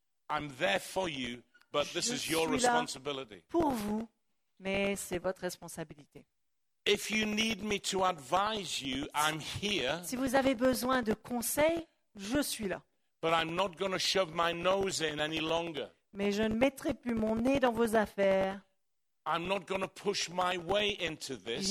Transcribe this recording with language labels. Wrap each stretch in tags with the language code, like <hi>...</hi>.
<en>I'm there for you, but this is your responsibility.</en> <fr>Je suis là pour vous, mais c'est votre responsabilité.</fr> <en>If you need me to advise you, I'm here.</en> <fr>Si vous avez besoin de conseils, je suis là.</fr> <en>But I'm not going to shove my nose in any longer.</en> <fr>Mais je ne mettrai plus mon nez dans vos affaires.</fr> <en>I'm not going to push my way into this.</en>